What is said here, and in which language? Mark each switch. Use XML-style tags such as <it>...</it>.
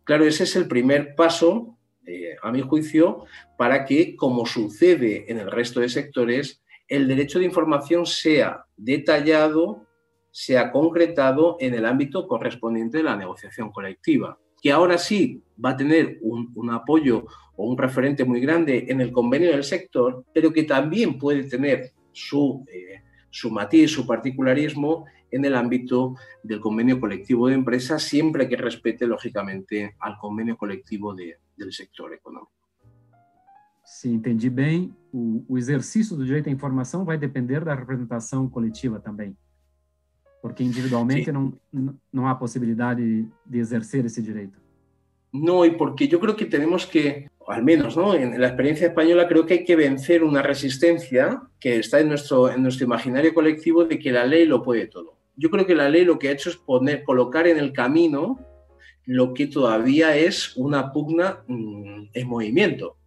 <es>Claro, ese es el primer paso, a mi juicio, para que, como sucede en el resto de sectores, el derecho de información sea detallado, sea concretado en el ámbito correspondiente de la negociación colectiva, que ahora sí va a tener un apoyo o un referente muy grande en el convenio del sector, pero que también puede tener su matiz, su particularismo en el ámbito del convenio colectivo de empresa, siempre que respete, lógicamente, al convenio colectivo del sector económico.</es> <pt>Se entendi bem, o exercício do direito à informação vai depender da representação coletiva também, porque individualmente não há possibilidade de exercer esse direito. Não, e porque eu creo que temos que,</pt> <es>al menos, ¿no?, en la experiencia española, creo que hay que vencer una resistencia que está en nuestro imaginario colectivo de que la ley lo puede todo. Yo creo que la ley lo que ha hecho es colocar en el camino lo que todavía es una pugna en movimiento.</es>